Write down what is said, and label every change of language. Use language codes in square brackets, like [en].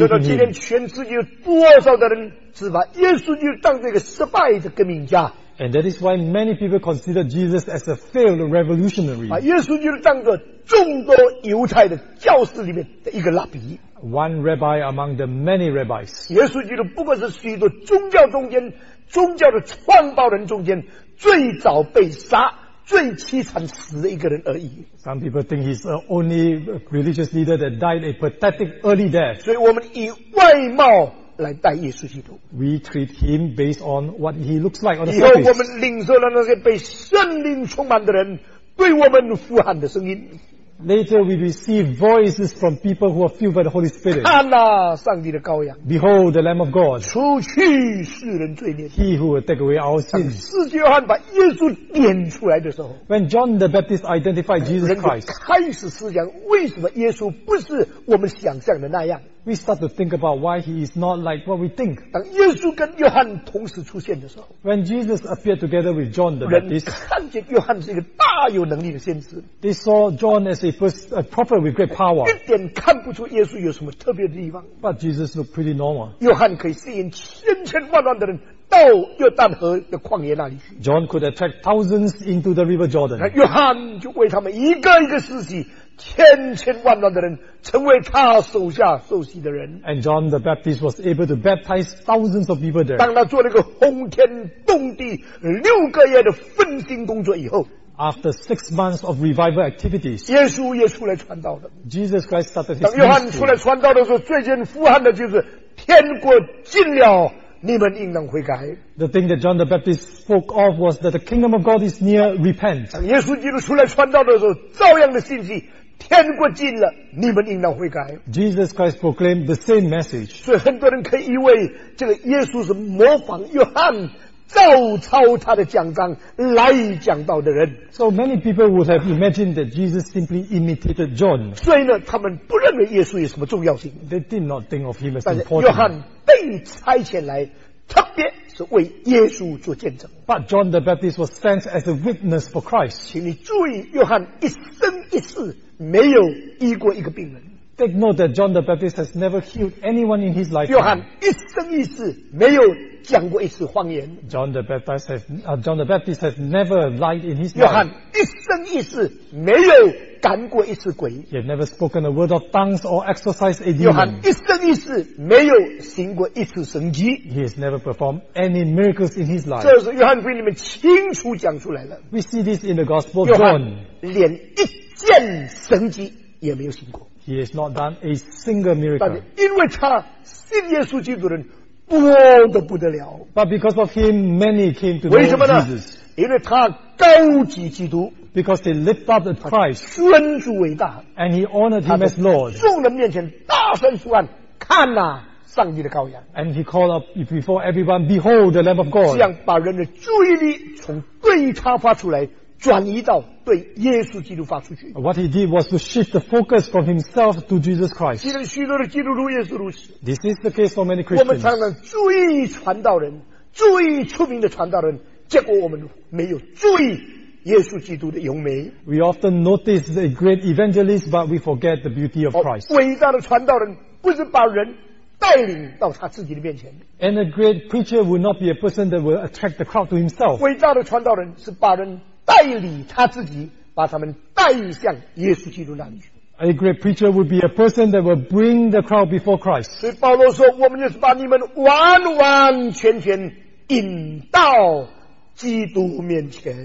[zh] 就到今天全世界有多少的人是把耶稣就当这个失败的革命家 [en] And that is why many people consider Jesus as a failed revolutionary. [zh] 把耶稣就当作众多犹太的教士里面的一个拉比。 [en] One rabbi among the many rabbis. [zh] 耶稣就不过是许多宗教中间、宗教的创办人中间最早被杀、最凄惨死的一个人而已。 [en] Some people think he's the only religious leader that died a pathetic early death. [zh] 所以我们以外貌来带耶稣基督 [en] We treat him based on what he looks like on the [zh] 以后我们领受了那些被圣灵充满的人对我们呼喊的声音 [en] Later we receive voices from people who are filled by the Holy Spirit [zh] 看啊上帝的羔羊 [en] Behold the Lamb of God [zh] 除去世人罪孽 [en] He who will take away our sins [zh] 当使徒约翰把耶稣点出来的时候 [en] When John the Baptist identified Jesus Christ [zh] 开始思想为什么耶稣不是我们想象的那样 [en] We start to think about why he is not like what we think. [zh] 当耶稣跟约翰同时出现的时候 [en] When Jesus appeared together with John the Baptist, [zh] 人看见约翰是一个大有能力的先知 [en] They saw John as a prophet with great power. [zh] 一点看不出耶稣有什么特别的地方 [en] But Jesus looked pretty normal. [zh] 约翰可以吸引千千万万的人到约旦河的旷野那里去 [en] John could attract thousands into the river Jordan. [zh] 约翰就为他们一个一个施洗千千万万的人成为他手下受洗的人 [en] And John the Baptist was able to baptize thousands of people there [zh] 当他做了一个轰天动地六个月的奋心工作以后 [en] After 6 months of revival activities [zh] 耶稣也出来传道了 [en] Jesus Christ started his ministry [zh] 当约翰出来传道的时候最先呼喊的就是天国近了你们应当悔改。 [en] The thing that John the Baptist spoke of was that the kingdom of God is near, repent. [zh] 耶稣基督出来传道的时候，照样的信息，天国近了，你们应当悔改。 [en] Jesus Christ proclaimed the same message. [zh] 所以很多人可以以为这个耶稣是模仿约翰，照抄他的讲章来讲道的人。 [en] So many people would have imagined that Jesus simply imitated John. [zh] 所以呢，他们不认为耶稣有什么重要性。 [en] They did not think of him as important. [zh] 但是约翰被差遣来，特别是为耶稣做见证。 [en] But John the Baptist was sent as a witness for Christ. [zh] 请你注意，约翰一生一世没有医过一个病人。 [en] Take note that John the Baptist has never healed anyone in his life. [zh] 约翰一生一世没有讲过一次谎言。 [en] John the Baptist has never lied in his life. [zh] 约翰一生一世没有赶过一次鬼。 [en] He had never spoken a word of tongues or exercised a demon. [zh] 约翰一生一世没有行过一次神迹。 [en] He has never performed any miracles in his life. [zh] 这是约翰福音里面清楚讲出来的。 [en] We see this in the Gospel of John. [zh] 约翰连一件神迹也没有行过。 [en] He has not done a single miracle. [zh] 但是因为他信耶稣基督的人多得不得了。 [en] But because of him, many came to know Jesus. [zh] 为什么呢？因为他高举基督。 [en] Because they lift up the Christ. [zh] 尊主伟大。 [en] And he honored him as Lord. [zh] 众人面前大声呼喊，看哪，上帝的羔羊。 [en] And he called up before everyone, behold the Lamb of God. [zh] 这样把人的注意力从对他发出来，转移到对耶稣基督发出去。 [en] What he did was to shift the focus from himself to Jesus Christ. [zh] 其实许多的基督徒也是如此。 [en] This is the case for many Christians. [zh] 我们常常注意传道人，注意出名的传道人，结果我们没有注意耶稣基督的荣美。 [en] We often notice the great evangelist, but we forget the beauty of Christ. [zh] 伟大的传道人不是把人带领到他自己的面前。 [en] And a great preacher would not be a person that will attract the crowd to himself. [zh] 伟大的传道人是把人带领他自己，把他们带向耶稣基督那里去。 [en] A great preacher would be a person that will bring the crowd before Christ. [zh] 所以保罗说，我们就是把你们完完全全引到基督面前。